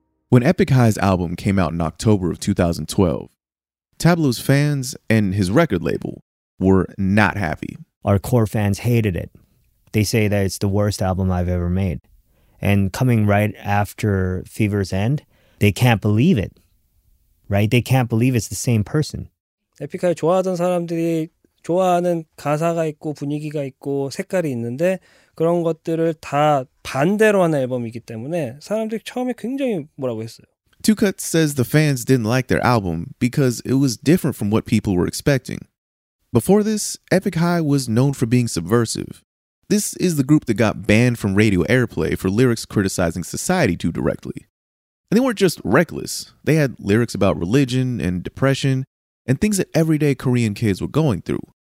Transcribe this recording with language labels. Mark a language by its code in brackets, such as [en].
[en] When Epic High's album came out in October of 2012, Tableau's fans and his record label were not happy. Our core fans hated it. They say that it's the worst album I've ever made. And coming right after Fever's End, they can't believe it. Right? They can't believe it's the same person. [ko] Epic High 좋아하던 사람들이 좋아하는 가사가 있고 분위기가 있고 색깔이 있는데 그런 것들을 다 반대로 하는 앨범이기 때문에 사람들이 처음에 굉장히 뭐라고 했어요. [en] Two Cuts says the fans didn't like their album because it was different from what people were expecting. Before this, Epic High was known for being subversive. This is the group that got banned from radio airplay for lyrics criticizing society too directly. And they weren't just reckless. They had lyrics about religion and depression and things that everyday Korean kids were going through.